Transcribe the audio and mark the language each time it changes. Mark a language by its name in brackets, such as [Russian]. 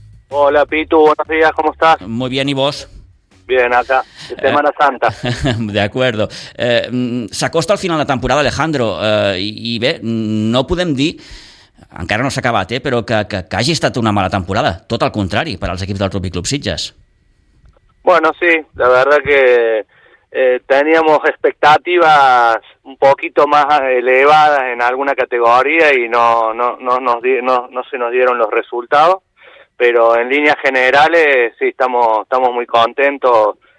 [Spanish] Hola, Pitu, buenos días, ¿cómo estás? Muy bien, ¿y vos? Bien, acá, Semana Santa. De acuerdo. [Catalan] S'acosta al final de temporada, Alejandro, i bé, no podem dir, encara no s'ha acabat, però que hagi estat una mala temporada, tot al contrari, per als equips del Rugby Club Sitges. [Spanish] Bueno, sí, la verdad que teníamos expectativas un poquito más elevadas en alguna categoría y no se nos dieron los resultados. Pero en líneas generales, sí, estamos muy contentos.